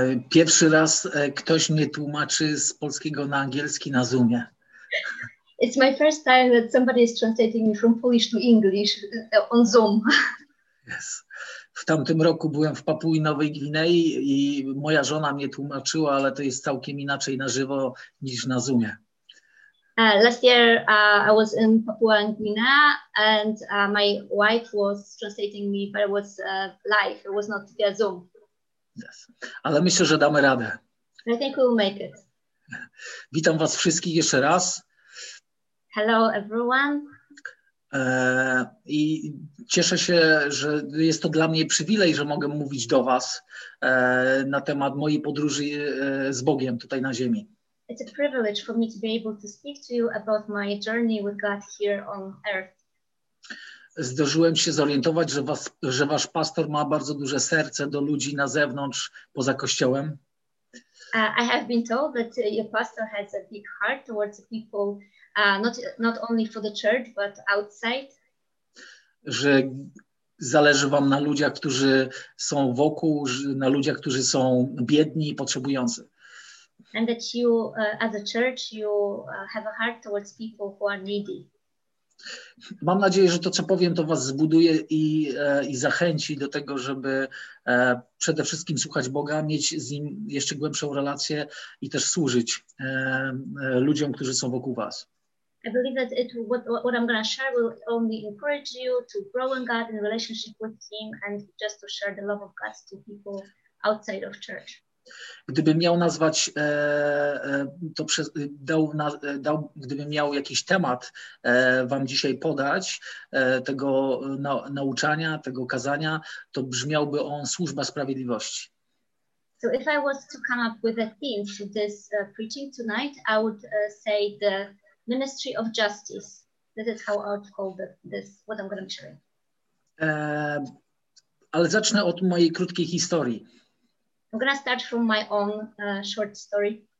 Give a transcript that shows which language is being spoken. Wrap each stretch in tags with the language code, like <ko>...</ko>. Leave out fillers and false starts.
<pl>Pierwszy raz ktoś mnie tłumaczy z polskiego na angielski na Zoomie.</pl> <en>It's my first time that somebody is translating me from Polish to English on Zoom. Yes.</en> <pl>W tamtym roku byłem w Papui Nowej Gwinei i moja żona mnie tłumaczyła, ale to jest całkiem inaczej na żywo niż na Zoomie.</pl> <en>Last year I was in Papua New Guinea and my wife was translating me, but it was live. It was not via Zoom. Yes.</en> <pl>Ale myślę, że damy radę.</pl> <en>I think we'll make it.</en> <pl>Witam was wszystkich jeszcze raz.</pl> <en>Hello everyone.</en> <pl>I cieszę się, że jest to dla mnie przywilej, że mogę mówić do was na temat mojej podróży z Bogiem tutaj na ziemi.</pl> <en>It's a privilege for me to be able to speak to you about my journey with God here on earth.</en> <pl>Zdążyłem się zorientować, że wasz pastor ma bardzo duże serce do ludzi na zewnątrz, poza kościołem.</pl> <en>I have been told that your pastor has a big heart towards the people, not only for the church, but outside.</en> <pl>Że zależy wam na ludziach, którzy są wokół, na ludziach, którzy są biedni i potrzebujący.</pl> <en>And that you, as a church, you have a heart towards people who are needy.</en> <pl>Mam nadzieję, że to, co powiem, to was zbuduje i zachęci do tego, żeby przede wszystkim słuchać Boga, mieć z Nim jeszcze głębszą relację i też służyć ludziom, którzy są wokół was.</pl> <en>I believe that what I'm going to share will only encourage you to grow in God in relationship with Him and just to share the love of God to people outside of church.</en> <pl>Gdybym miał nazwać to przez, dał, na, dał gdybym miał jakiś temat wam dzisiaj podać tego nauczania, tego kazania, to brzmiałby on służba sprawiedliwości.</pl> <en>So if I was to come up with a theme for this preaching tonight, I would say the ministry of justice. This is how I would call this what I'm going to share.</en> <pl>Ale zacznę od mojej krótkiej historii.</pl> <en>I'm gonna start from my own short story.</en>